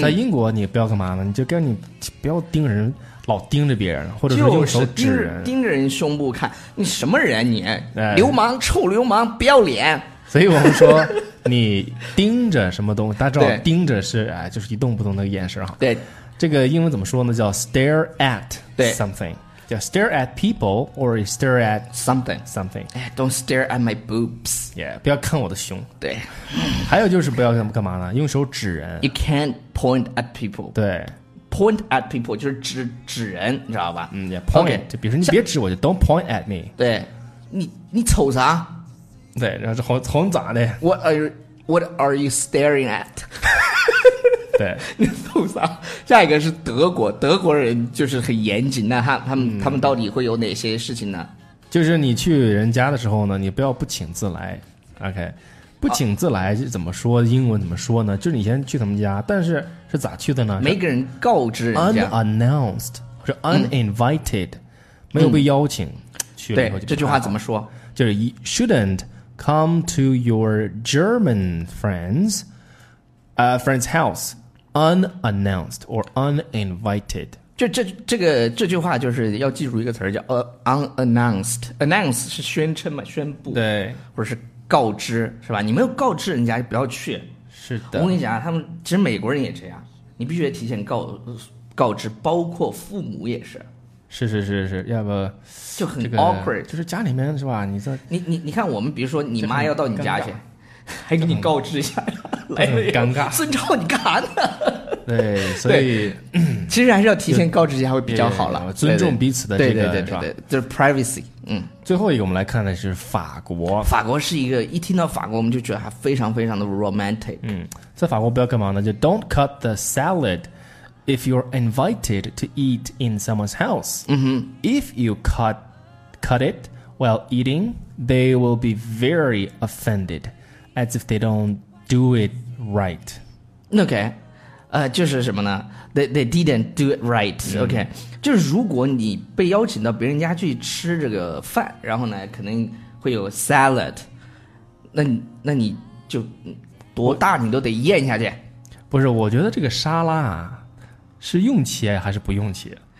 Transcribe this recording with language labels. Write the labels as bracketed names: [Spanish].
[Chinese] 在英国你不要干嘛呢，你就跟你不要盯人，老盯着别人，或者说用手指人、就是、盯着人胸部看，你什么人，你、哎、流氓，臭流氓，不要脸。所以我们说你盯着什么东西，大家知道盯着是哎，就是一动不动的眼神哈。对，这个英文怎么说呢，叫 [English] stare at something， [Chinese] 对，叫 [English] stare at people or stare at something、哎、don't stare at my boobs [Chinese] Yeah, 不要看我的胸。对，还有就是不要干嘛呢，用手指人。 [English] You can't point at people。 [Chinese] 对， [English] point at people [Chinese] 就是指人你知道吧。 [English] 嗯， yeah, point okay, [Chinese] 就比如说你别指我，就 [English] don't point at me。 [Chinese] 对，你瞅啥？对，然后从咋的， [English] What are you staring at。 [Chinese] 对，你瞅啥。下一个是德国人就是很严谨，那他们到底会有哪些事情呢？就是你去人家的时候呢，你不要不请自来。OK， 不请自来是怎么说、啊、英文怎么说呢，就是你先去他们家，但是是咋去的呢，没给人告知人家， [English] unannounced 是 uninvited、 [Chinese] 嗯、没有被邀请、嗯、去了以后。对，这句话怎么说，就是 [English] shouldn't come to your German friend's house unannounced or uninvited。 [Chinese] 这句话就是要记住一个词叫 unannounced。 announce 是宣称嘛，宣布，对，或者是告知，是吧，你没有告知人家就不要去。是的，我跟你讲，他们其实美国人也这样，你必须得提前告知，包括父母也是。是是是是，要不就很、这个、 [English] awkward， [Chinese] 就是家里面是吧，你在你看我们比如说你妈要到你家去，还给你告知一下，来很尴尬。孙超你干啥呢？对，所以对，其实还是要提前告知一下会比较好了，尊重彼此的这个，对对对对对，是吧，就是 privacy。嗯，最后一个我们来看的是法国是一个，一听到法国我们就觉得还非常非常的 romantic。嗯，在法国不要干嘛呢，就 [English] don't cut the salad if you're invited to eat in someone's house。 [Chinese] 嗯哼， [English] if you cut cut it while eating, they will be very offended, as if they don't do it right. Okay. [Chinese] 就是什么呢 [English] they didn't do it right. [Chinese] OK、嗯、就是如果你被邀请到别人家去吃这个饭，然后呢可能会有 salad， 那你就多大你都得咽下去。不是，我觉得这个沙拉啊是用切还是不用切，